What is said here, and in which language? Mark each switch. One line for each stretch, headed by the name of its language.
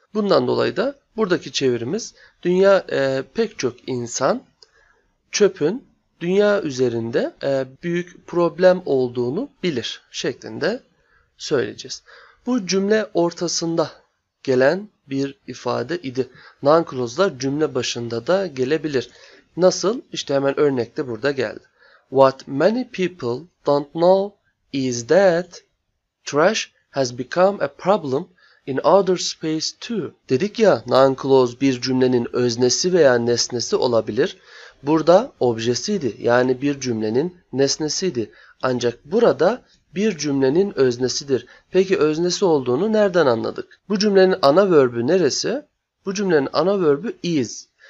Turkish: Bundan dolayı da buradaki çevirimiz dünya pek çok insan çöpün dünya üzerinde büyük problem olduğunu bilir şeklinde söyleyeceğiz. Bu cümle ortasında gelen bir ifade idi. Noun clause'lar cümle başında da gelebilir. Nasıl? İşte hemen örnekte burada geldi.
English: What many people don't know is that trash has become a problem in outer space too.
Turkish: Dedik ya, noun clause bir cümlenin öznesi veya nesnesi olabilir. Burada objesiydi, yani bir cümlenin nesnesiydi. Ancak burada bir cümlenin öznesidir. Peki öznesi olduğunu nereden anladık? Bu cümlenin ana verb'ü neresi? Bu cümlenin ana verb'ü is.